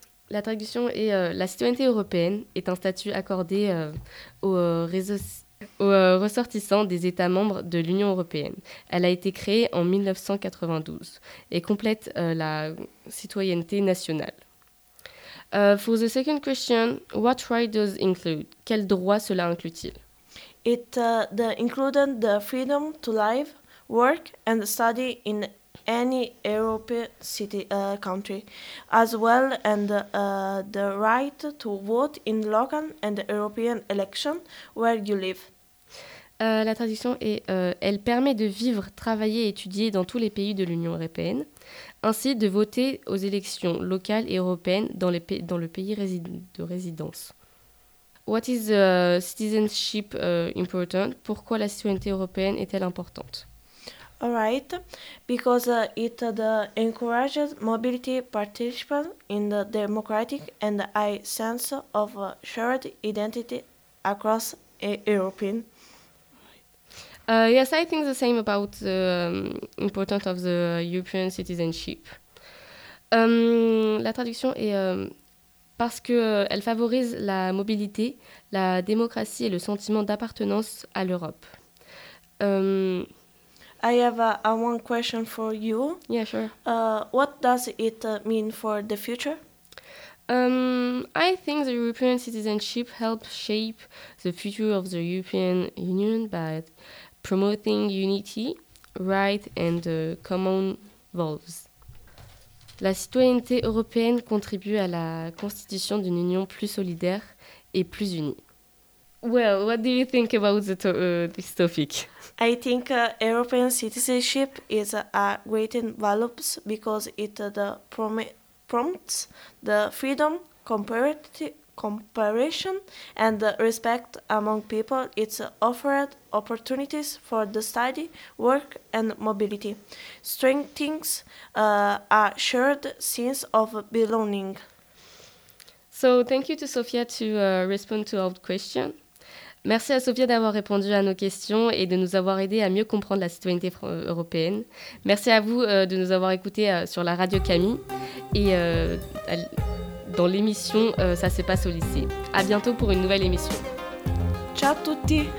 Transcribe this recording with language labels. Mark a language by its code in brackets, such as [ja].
[fr] La traduction est la citoyenneté européenne est un statut accordé aux ressortissants des États membres de l'Union européenne. Elle a été créée en 1992 et complète la citoyenneté nationale. [en] For the second question, what right does include? [fr] Quel droit cela inclut-il? [en] It included the freedom to live, work and study in any European city country, as well and the right to vote in local and European election where you live. [fr] La traduction est « Elle permet de vivre, travailler et étudier dans tous les pays de l'Union européenne, ainsi de voter aux élections locales et européennes dans, dans le pays de résidence. » [en] What is citizenship important? [fr] Pourquoi la citoyenneté européenne est-elle importante? [en] All right, because it encourages mobility, participation in the democratic and high sense of shared identity across European. Yes, I think the same about the importance of the European citizenship. [fr] La traduction est parce que elle favorise la mobilité, la démocratie et le sentiment d'appartenance à l'Europe. [en] I have one question for you. Yeah, sure. What does it mean for the future? I think the European citizenship helps shape the future of the European Union, but promoting unity, right and common values. [fr] La citoyenneté européenne contribue à la constitution d'une union plus solidaire et plus unie. [en] Well, what do you think about this topic? I think European citizenship is a great value because it prompts the freedom, comparison and respect among people. It's offered opportunities for the study, work and mobility, strengthens a shared sense of belonging. So thank you to Sophia to respond to our question. [fr] Merci à Sophia d'avoir répondu à nos questions et de nous avoir aidé à mieux comprendre la citoyenneté européenne. Merci à vous de nous avoir écoutés sur la Radio Camille et dans l'émission Ça se passe au lycée. À bientôt pour une nouvelle émission. [it] Ciao tutti.